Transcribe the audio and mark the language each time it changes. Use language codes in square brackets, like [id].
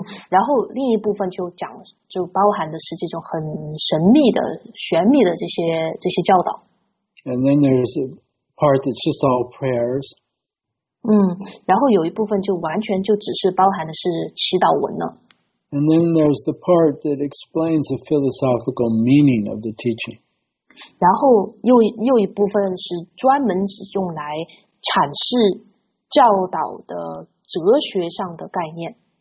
[zh] 然后另一部分就包含的是这种很神秘的、玄秘的这些教导。 [en] And then there's a part that's just all prayers. [zh] 然后有一部分就完全就只是包含的是祈祷文了。 [en] And then there's the part that explains the philosophical meaning of the teaching. [zh] 然后又一部分是专门用来阐释教导的哲学上的概念。